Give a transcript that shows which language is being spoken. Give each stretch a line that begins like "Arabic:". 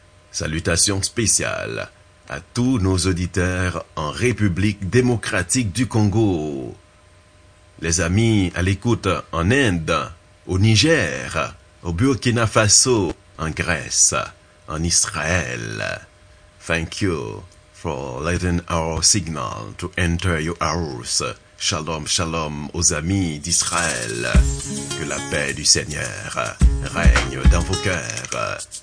French: Salutations spéciales à tous nos auditeurs en République démocratique du Congo, les amis à l'écoute en Inde, au Niger, au Burkina Faso, en Grèce, en Israël.
English: Thank you for letting our signal to enter your house.
French: Shalom, shalom aux amis d'Israël. Que la paix du Seigneur règne dans vos cœurs.